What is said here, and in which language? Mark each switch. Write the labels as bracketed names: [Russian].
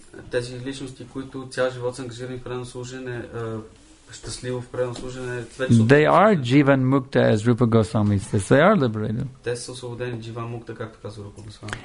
[Bulgarian] Тези личности, които цял живот са ангажирани в предно служене, щастливо в предно служене, [English] they are Jivan Mukta, as Rupa Goswami says. They are liberated. [Bulgarian] Те са освободени Jivan Mukta, както казва Рупа Госвами.